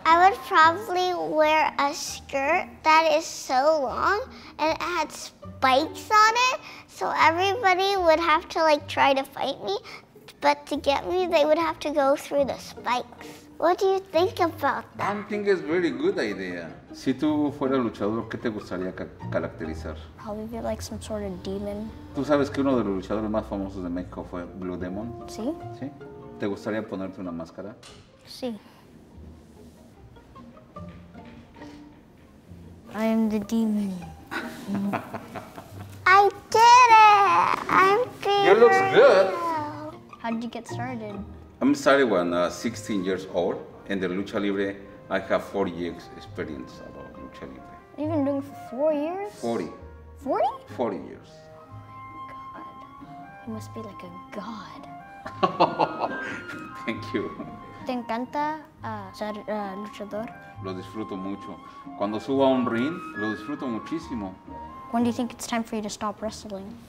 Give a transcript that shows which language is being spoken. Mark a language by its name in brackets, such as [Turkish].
[English] I would probably wear a skirt that is so long and it had spikes on it, so everybody would have to like try to fight me, but to get me, they would have to go through the spikes. What do you think about that? I think it's a very good idea. [Spanish] Si tú fueras luchador, ¿qué te gustaría caracterizar? [English] Probably be like some sort of demon. [Spanish] ¿Tú sabes que uno de los luchadores más famosos de México fue Blue Demon? Sí. ¿Sí? ¿Te gustaría ponerte una máscara? Sí. [English] I am the demon. I did it! I'm feeling it. Looks good. How did you get started? I'm sorry, when I'm 16 years old, and the Lucha Libre, I have 40 years experience about Lucha Libre. You've been doing it for 4 years? 40. 40? 40 years. Oh my God. You must be like a god. Thank you. [Spanish] ¿Te encanta ser luchador? Lo disfruto mucho. Cuando subo a un ring, lo disfruto muchísimo. [English] When do you think it's time for you to stop wrestling?